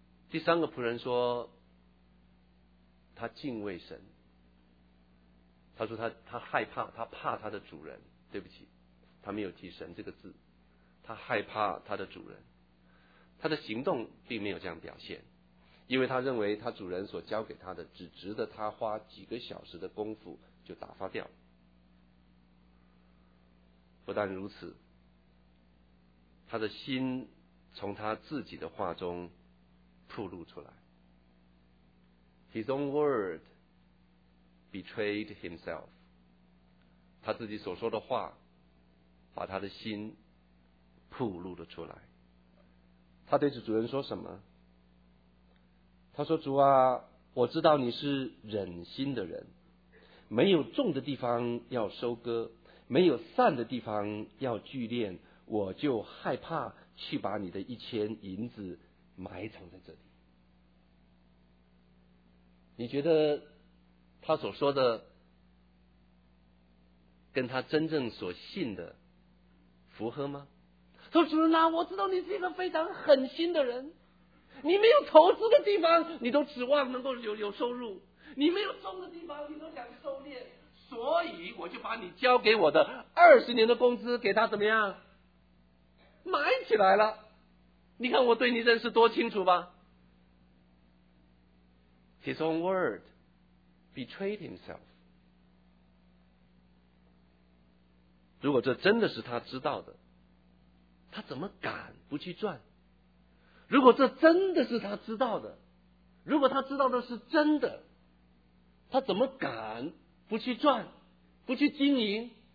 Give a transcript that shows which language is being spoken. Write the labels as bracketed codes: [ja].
[zh] 第三个仆人说他敬畏神，他说他害怕，他怕他的主人，对不起，他没有提神这个字，他害怕他的主人，他的行动并没有这样表现，因为他认为他主人所交给他的只值得他花几个小时的功夫就打发掉。不但如此，他的心从他自己的话中暴露出来。 [en] His own word betrayed himself. [zh] 他自己所说的话把他的心暴露了出来。他对主人说什么？他说，主啊，我知道你是忍心的人，没有种的地方要收割，没有散的地方要聚敛，我就害怕去把你的一千银子埋藏在这里。你觉得他所说的跟他真正所信的符合吗？说，主人啊，我知道你是一个非常狠心的人，你没有投资的地方你都指望能够 有收入，你没有种的地方你都想狩猎，所以我就把你交给我的20年的工资给他怎么样埋起来了。你看我对你认识多清楚吧。 [en] His own word betrayed himself. [zh] 如果这真的是他知道的，他怎么敢不去赚？如果这真的是他知道的，如果他知道的是真的，他怎么敢不去赚，不去经营？